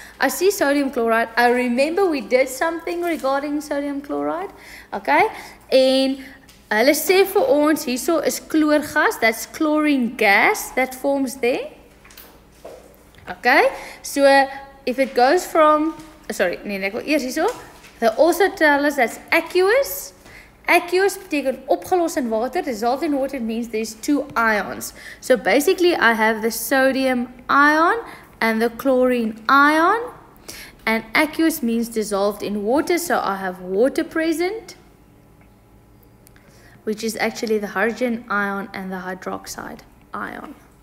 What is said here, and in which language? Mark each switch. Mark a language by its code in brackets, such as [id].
[en] I see sodium chloride. I remember we did something regarding sodium chloride. Okay? [af] En hulle sê vir ons, hierso is kloorgas, [en] that's chlorine gas that forms there. [af] Okay? [en] So, if it goes from, sorry, [af] nee, ek wil eers hierso, [en] they also tell us that's aqueous. [af] Aqueous beteken opgelos in water. [en] Dissolved in water means there's two ions. So basically I have the sodium ion and the chlorine ion. And aqueous means dissolved in water. So I have water present, which is actually the hydrogen ion and the hydroxide ion.